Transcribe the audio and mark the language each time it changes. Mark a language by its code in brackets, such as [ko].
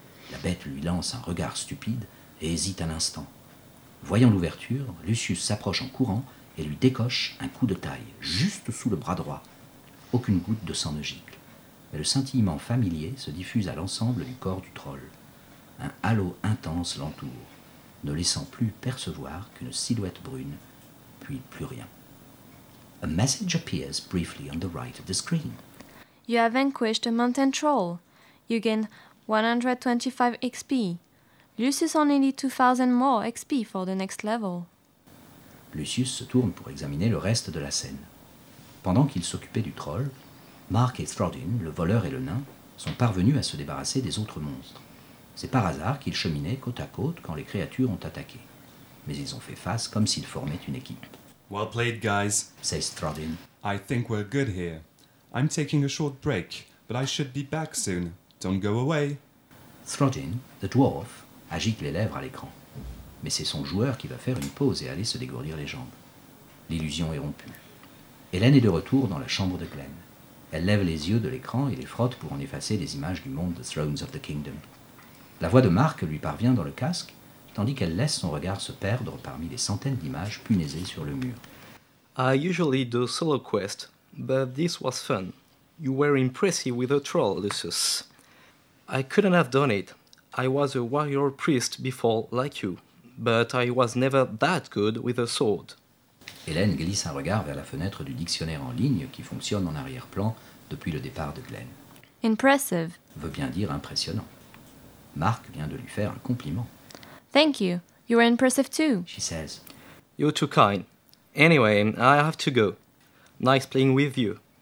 [fr] La bête lui lance un regard stupide et hésite un instant. Voyant l'ouverture, Lucius s'approche en courant et lui décoche un coup de taille, juste sous le bras droit. Aucune goutte de sang ne gicle. Mais le scintillement familier se diffuse à l'ensemble du corps du troll. Un halo intense l'entoure, ne laissant plus percevoir qu'une silhouette brune, puis plus rien. [en] A message appears briefly on the right of the screen. You have vanquished a mountain troll. You gain 125 XP. Lucius only needs 2000 more XP for the next level. [fr] Lucius se tourne pour examiner le reste de la scène. Pendant qu'il s'occupait du troll, Mark et Throdin, le voleur et le nain, sont parvenus à se débarrasser des autres monstres. C'est par hasard qu'ils cheminaient côte à côte quand les créatures ont attaqué. Mais ils ont fait face comme s'ils formaient une équipe. [en] Well played, guys, says Throdin. I think we're good here. I'm taking a short break, but I should be back soon. Don't go away. [fr] Throdin, [en] the dwarf, [fr] agite les lèvres à l'écran. Mais c'est son joueur qui va faire une pause et aller se dégourdir les jambes. L'illusion est rompue. Hélène est de retour dans la chambre de Glenn. Elle lève les yeux de l'écran et les frotte pour en effacer les images du monde de Thrones of the Kingdom. La voix de Mark lui parvient dans le casque, tandis qu'elle laisse son regard se perdre parmi les centaines d'images punaisées sur le mur. [en] I usually do solo quests, but this was fun. You were impressive with a troll, Lucius. I couldn't have done it. I was a warrior priest before, like you, but I was never that good with a sword. [fr] Hélène glisse un regard vers la fenêtre du dictionnaire en ligne qui fonctionne en arrière-plan depuis le départ de Glenn. [en] Impressive [fr] veut bien dire impressionnant. Mark vient de lui faire un compliment. [en] Thank you. You are impressive too, she says. You're too kind. Anyway, I have to go. Nice playing with you.